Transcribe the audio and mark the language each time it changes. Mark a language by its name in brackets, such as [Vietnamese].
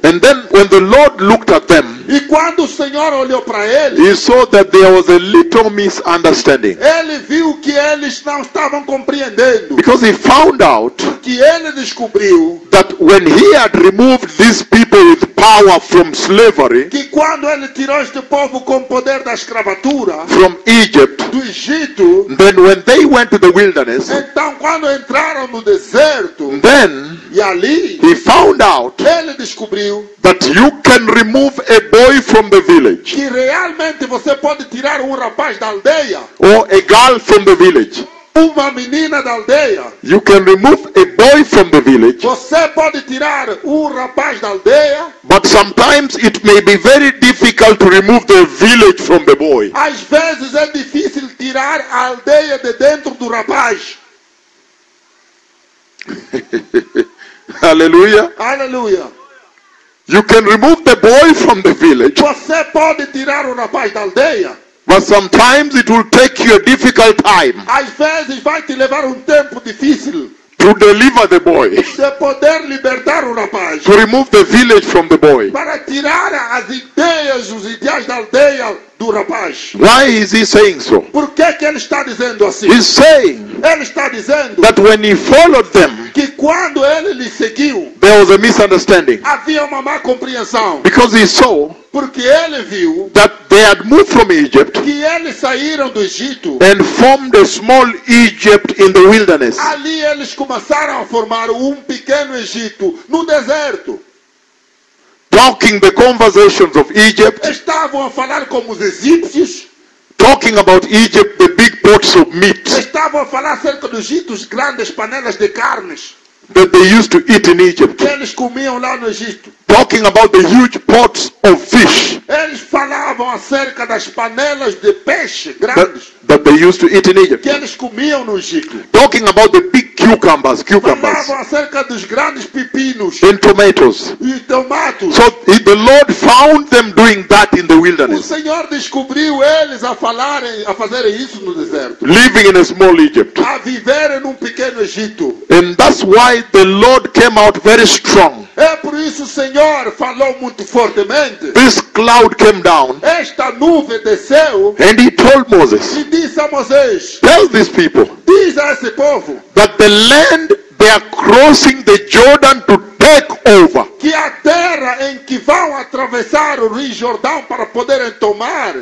[English] And then when the Lord looked at them, [Portuguese] e quando o Senhor olhou para eles, [English] he saw that there was a little misunderstanding. [Portuguese] Ele viu que eles não estavam compreendendo. [English] Because he found out, [Portuguese] que ele descobriu, [English] that when he had removed these people with power from slavery, [Portuguese] que quando ele tirou este povo com poder da escravatura, [English] from Egypt, [Portuguese] do Egito, [English] then when they went to the wilderness, [Portuguese] então quando entraram no deserto, [English] then, [Portuguese] e ali, [English] he found out, [Portuguese] ele descobriu, [English] that you can remove a boy from the village, [Portuguese] que realmente você pode tirar rapaz da aldeia, [English] or a girl from the village, [Portuguese] uma menina da aldeia. [English] You can remove a boy from the village. [Portuguese] Você pode tirar rapaz da aldeia. [English] But sometimes it may be very difficult to remove the village from the boy. [Portuguese] Às vezes é difícil tirar a aldeia de dentro do rapaz. Aleluia. Aleluia. [English] You can remove the boy from the village. [Portuguese] Você pode tirar rapaz da aldeia. [English] But sometimes it will take you a difficult time. [Portuguese] Às vezes vai te levar tempo difícil. [English] To deliver the boy. [Portuguese] De poder libertar rapaz. [English] To remove the village from the boy. [Portuguese] Para tirar as ideias, os ideais da aldeia do rapaz. [English] Why is he saying so? [Portuguese] Por que ele está dizendo assim? [English] He's saying. [Portuguese] Ele está dizendo. [English] That when he followed them. [Portuguese] Que quando ele lhe seguiu. [English] There was a misunderstanding. [Portuguese] Havia uma má compreensão. [English] Because he saw. [Portuguese] Porque ele viu. [English] That they had moved from Egypt. [Portuguese] Que eles saíram do Egito. [English] And formed a small Egypt in the wilderness. [Portuguese] Ali eles começaram a formar pequeno Egito no deserto. [English] Talking the conversations of Egypt. [Portuguese] Estavam a falar como os egípcios. [English] Talking about Egypt, the big pots of meat. [Portuguese] Estavam a falar acerca do Egito, as grandes panelas de carnes. [English] That they used to eat in Egypt. [Portuguese] Que eles comiam lá no Egito. [English] Talking about the huge pots of fish. [Portuguese] Eles falavam acerca das panelas de peixe grandes. [English] That they used to eat in Egypt. [Portuguese] Que eles comiam no Egito. [English] Talking about the big cucumbers. [Portuguese] Falavam acerca dos grandes pepinos. [English] And tomatoes. [Portuguese] E tomates. [English] So the Lord found them doing that in the wilderness. [Portuguese] O Senhor descobriu eles a fazerem isso no deserto. [English] Living in a small Egypt. [Portuguese] A viver em pequeno Egito. [English] And that's why the Lord came out very strong. [Portuguese] É por isso o Senhor falou muito fortemente. [English] This cloud came down. [Portuguese] Esta nuvem desceu. [English] And he told Moses. [Portuguese] E disse a Moisés. [English] Tell these people. [Portuguese] Diz a esse povo. [English] That the land they are crossing the Jordan to take over. [Portuguese] Que a terra em que vão atravessar o Rio Jordão para poderem tomar.